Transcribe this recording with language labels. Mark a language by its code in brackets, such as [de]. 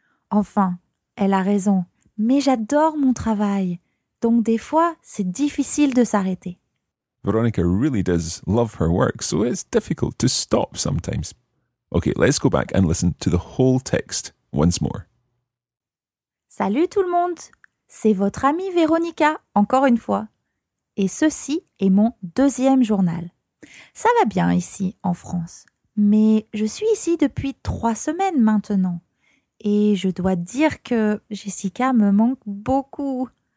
[fr] Enfin, elle a raison. Mais j'adore mon travail. Donc des fois, c'est difficile de s'arrêter. [en] Veronica really does love her work, so it's difficult to stop sometimes. Okay, let's go back and listen to the whole text once more. [fr] Salut tout le monde, c'est votre amie Veronica, encore une fois. Et ceci est mon deuxième journal. Ça va bien ici, en France, mais je suis ici depuis 3 semaines maintenant. Et je dois dire que Jessica me manque beaucoup.